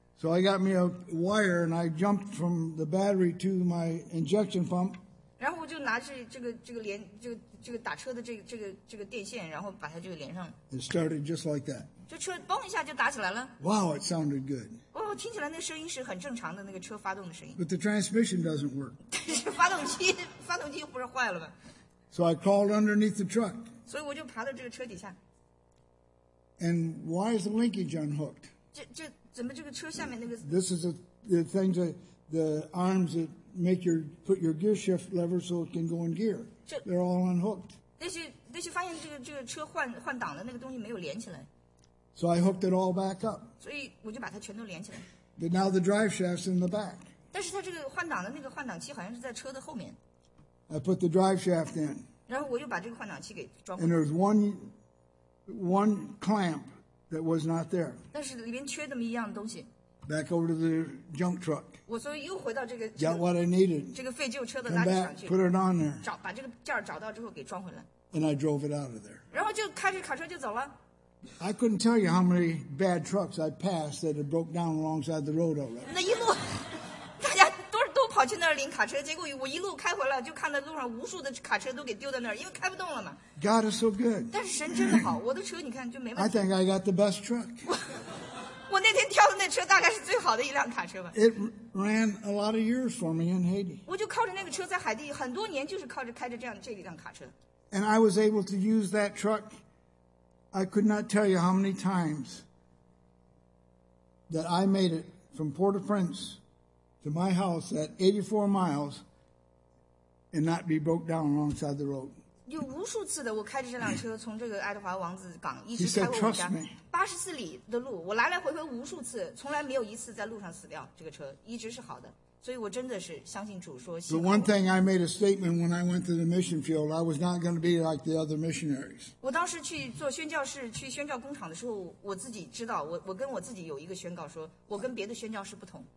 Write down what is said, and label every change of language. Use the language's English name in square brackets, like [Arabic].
[English] ？So I got me a wire and I jumped from the battery to my injection pump. [Chinese] 然后我就拿着这个连这个打车的这个电线，然后把它这个连上。 [English] It started just like that. [Chinese] 这车嘣一下就打起来了。 [English] Wow, it sounded good. [Chinese] 哦，听起来那声音是很正常的，那个车发动的声音。 [English] But the transmission doesn't work. [Chinese] 但是发动机不是坏了吗 [English] ？So I crawled underneath the truck. [Chinese] 所以我就爬到这个车底下。 [English] And why is the linkage unhooked? [Chinese] 这怎么这个车下面那个 [English] ？This is the thing that the arms that make your put your gear shift lever so it can go in gear. They're all unhooked. [Chinese] 那些发现这个车换挡的那个东西没有连起来。 [English] So I hooked it all back up. [Chinese] 所以我就把它全都连起来。 [English] But now the drive shaft's in the back. [Chinese] 但是它这个换挡的那个换挡器好像是在车的后面。 [English] I put the drive shaft in. [Chinese] 然后我又把这个换挡器给装回来。 [English] And there's one clamp that was not there. [Chinese] 但是里面缺那么一样东西。 [English] Back over to the junk truck. [Chinese] 我所以又回到这个。 [English] Got what I needed. [Chinese] 这个废旧车的垃圾场去。 [English] Come back, put it on there. [Chinese] 找把这个件找到之后给装回来。 [English] And I drove it out of there. [Chinese] 然后就开着卡车就走了。 [English] I couldn't tell you how many bad trucks I passed that had broke down alongside the road already. [Chinese] 那一路，大家都跑去那儿领卡车，结果我一路开回来，就看到路上无数的卡车都给丢在那儿，因为开不动了嘛。 [English] God is so good. [Chinese] 但是神真的好，我的车你看就没问题。 [English] I think I got the best truck. [Chinese] 我那天挑的那车大概是最好的一辆卡车吧。 [English] It ran a lot of years for me in Haiti. [Chinese] 我就靠着那个车在海地很多年，就是靠着开着这辆卡车。 [English] And I was able to use that truck. I could not tell you how many times that I made it from Port-au-Prince to my house at 84 miles and not be broke down alongside the road. He said, trust me. [Chinese] 84 里的路，我来来回回无数次，从来没有一次在路上死掉。这个车一直是好的，所以我真的是相信主说。 [English] The one thing I made a statement when I went to the mission field, I was not going to be like the other missionaries. [Chinese] 我当时去做宣教士，去宣教工厂的时候，我自己知道，我跟我自己有一个宣告，说我跟别的宣教士不同。